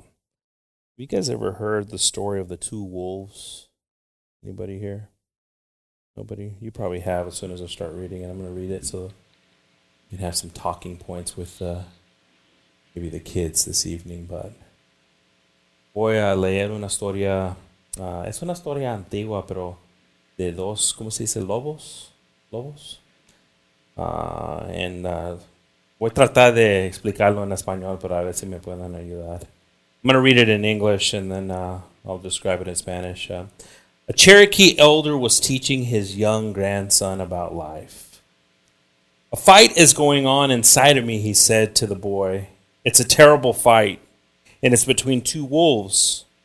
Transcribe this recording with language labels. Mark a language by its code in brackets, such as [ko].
[en] Have you guys ever heard the story of the two wolves? Anybody here? Nobody? You probably have, as soon as I start reading it. I'm going to read it so you can have some talking points with maybe the kids this evening. But [es] voy a leer una historia. Es una historia antigua, pero de dos, ¿cómo se dice? Lobos? Lobos? Voy a tratar de explicarlo en español, pero a ver si me pueden ayudar. [en] I'm going to read it in English, and then I'll describe it in Spanish. A Cherokee elder was teaching his young grandson about life. "A fight is going on inside of me," he said to the boy. "It's a terrible fight, and it's between two wolves.